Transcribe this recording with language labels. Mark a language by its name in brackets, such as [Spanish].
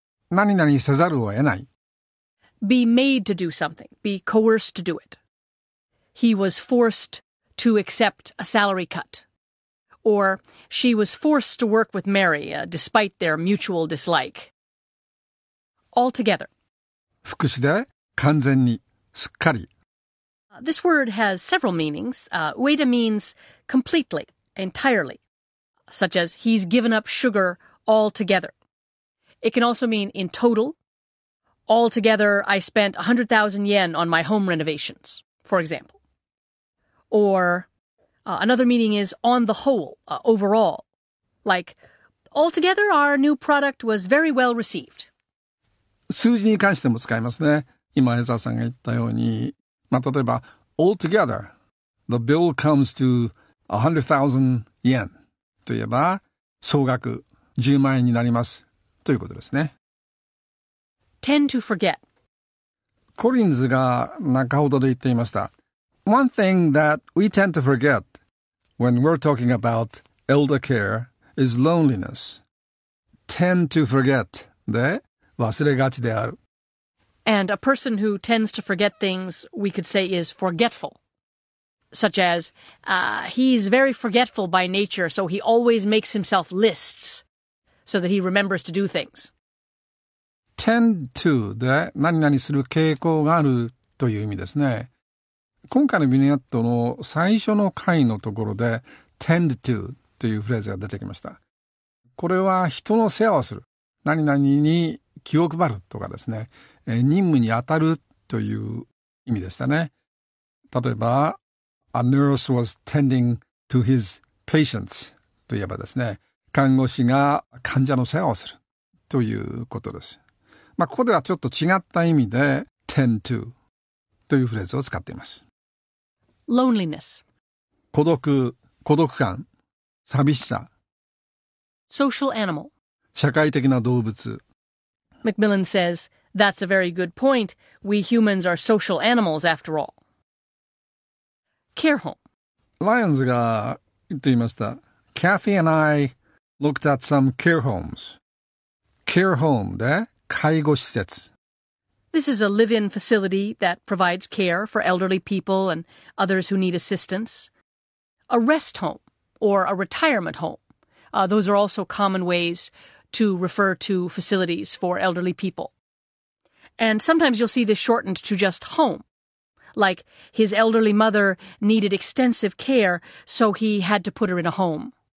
[Japanese] 何々せざるを得ない。 [English] Be made to do something. Be coerced to do it. He was forced to accept a salary cut. Or she was forced to work with Mary, despite their mutual dislike. Altogether. [Japanese] 副詞で完全に、すっかり。 [English] This word has several meanings. Ueda means completely, entirely. Such as, he's given up sugar altogether. It can also mean in total. Altogether, I spent 100,000 yen on my home renovations, for example. Or, another meaning is on the whole, overall. Like, altogether, our new product was very well received. [Japanese] 数字に関しても使いますね。今、江澤さんが言ったように。まあ、例えば、 [English] altogether, the bill comes to 100,000 yen. [Japanese] といえば、総額10万円になります。ということですね。 [English] Tend to forget. [Japanese] コリンズが中ほどで言っていました。 [English] One thing that we tend to forget when we're talking about elder care is loneliness. Tend to forget [Japanese] で忘れがちである。 [English] And a person who tends to forget things, we could say is forgetful. Such as, he's very forgetful by nature, so he always makes himself lists so that he remembers to do things. Tend to [Japanese] で何々する傾向があるという意味ですね。今回のビニアットの最初の回のところで [English] tend to [Japanese] というフレーズが出てきました。これは人の世話をする。何々に気を配るとかですね。任務に当たるという意味でしたね。例えば、 [English] A nurse was tending to his patients [Japanese] といえばですね。看護師が患者の世話をするということです。まあ、ここではちょっと違った意味で [English] tend to [Japanese] というフレーズを使っています。 [English] Loneliness. [Japanese] 孤独、孤独感、寂しさ。 [English] Social animal. [Japanese] 社会的な動物。 [English] Macmillan says, that's a very good point. We humans are social animals after all. Care home. [Japanese] Lyons が言っていました。 [English] Kathy and I looked at some care homes. Care home [Japanese] で介護施設。 [English] This is a live-in facility that provides care for elderly people and others who need assistance. A rest home or a retirement home. Those are also common ways to refer to facilities for elderly people. And sometimes you'll see this shortened to just home. Like, his elderly mother needed extensive care, so he had to put her in a home.